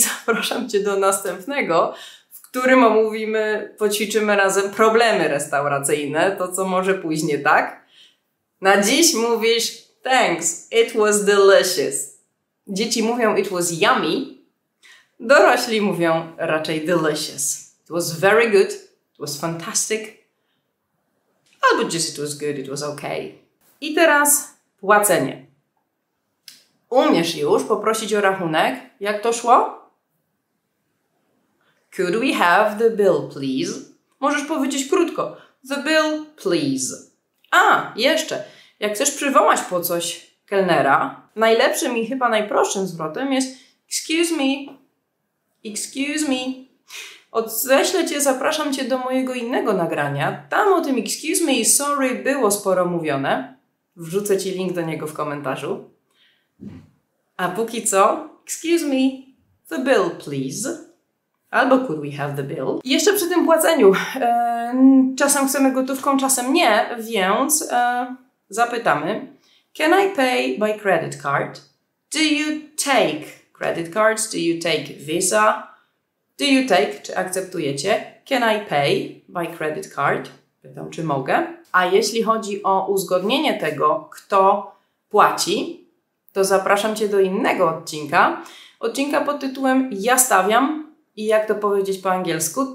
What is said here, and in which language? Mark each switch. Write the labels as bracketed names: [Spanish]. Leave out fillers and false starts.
[Polish] Zapraszam Cię do następnego, w którym omówimy, poćwiczymy razem problemy restauracyjne, to co może pójść nie tak. Na dziś mówisz [English] thanks, it was delicious. [Polish] Dzieci mówią [English] it was yummy, [Polish] dorośli mówią raczej delicious. [English] It was very good, it was fantastic, albo just it was good, it was okay. [Polish] I teraz płacenie. Umiesz już poprosić o rachunek, jak to szło? [English] Could we have the bill, please? [Polish] Możesz powiedzieć krótko. [English] The bill, please. [Polish] A, jeszcze. Jak chcesz przywołać po coś kelnera. Najlepszym i chyba najprostszym zwrotem jest excuse me, odeślę cię, zapraszam cię do mojego innego nagrania. Tam o tym excuse me i sorry było sporo mówione. Wrzucę ci link do niego w komentarzu. A póki co, [English] excuse me, the bill please. Albo could we have the bill? [Polish] Jeszcze przy tym płaceniu. Czasem chcemy gotówką, czasem nie, więc zapytamy. [English] Can I pay by credit card? Do you take credit cards? Do you take Visa? Do you take, [Polish] czy akceptujecie? [English] Can I pay by credit card? [Polish] Pytam, czy mogę. A jeśli chodzi o uzgodnienie tego, kto płaci, to zapraszam cię do innego odcinka. Odcinka pod tytułem Ja stawiam i jak to powiedzieć po angielsku.